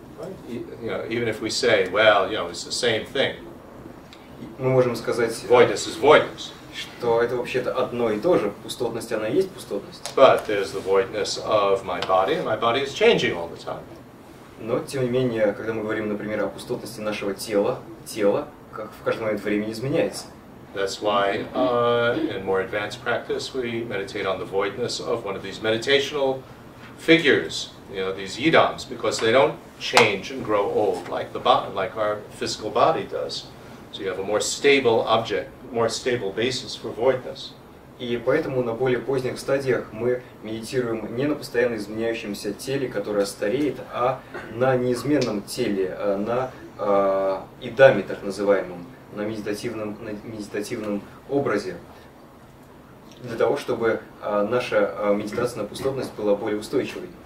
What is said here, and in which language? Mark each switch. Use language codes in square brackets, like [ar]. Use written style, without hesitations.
[en] Right? You know, even if we say, well, you know, it's the same thing. [ru] Мы можем сказать, [en] voidness is voidness. [ru] Что это вообще-то одно и то же. Пустотность, она есть пустотность. [en] But there's the voidness of my body, and my body is changing all the time. [ru] Но, тем не менее, когда мы говорим, например, о пустотности нашего тела, тело как в каждый момент времени изменяется. [en] That's why in more advanced practice we meditate on the voidness of one of these meditational figures, you know, these yidams, because they don't change and grow old like the body, like our physical body does. So you have a more stable object, more stable basis for voidness. [ru] И поэтому на более поздних стадиях мы медитируем не на постоянно изменяющемся теле, которое стареет, а на неизменном теле, на идаме, так называемом, на медитативном образе, для того, чтобы наша медитация на пустотность была более устойчивой.